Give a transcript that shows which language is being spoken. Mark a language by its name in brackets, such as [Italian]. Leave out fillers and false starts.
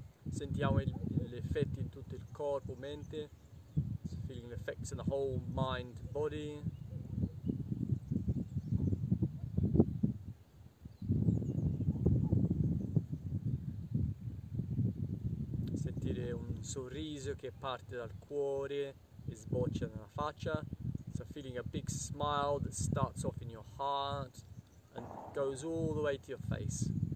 [Italian] Sentiamo gli effetti in tutto il corpo, mente. [English] So feeling the effects in the whole mind, body. [Italian] Sentire un sorriso che parte dal cuore e sboccia nella faccia. [English] So feeling a big smile that starts off in your heart and goes all the way to your face.